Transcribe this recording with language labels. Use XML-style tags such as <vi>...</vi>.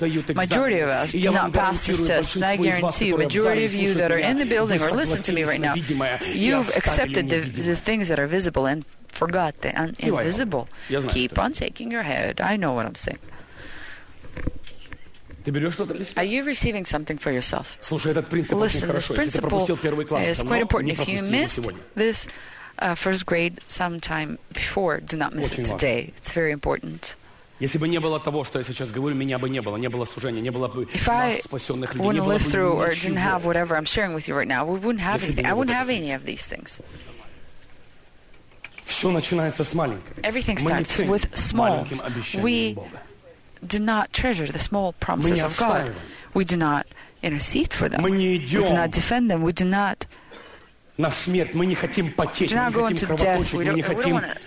<en>Majority of us do not pass this test, and I guarantee you, majority of you that are in the building or listen to me right now, you've accepted the things that are visible and forgot the invisible. Keep on shaking your head. I know what I'm saying. Are you receiving something for yourself? Listen, this principle is quite important. If you missed this first grade sometime before. Do not miss it today. It's very important.</en> <ru>Если бы не было того, что я сейчас говорю, меня бы не было. Не было служения, не было бы нас, спасенных людей, не было бы ничего.</ru> <en>If I didn't have whatever I'm sharing with you right now, we wouldn't have anything. I wouldn't have any of these things.</en> <ru>Все начинается с маленького.</ru> <en>Everything starts with small. We do not treasure the small promises of God. We do not intercede for them. We do not defend them. We do not...</en> <ru>На смерть. Мы не хотим потеть. Мы не хотим кровоточить. Мы не хотим...</ru>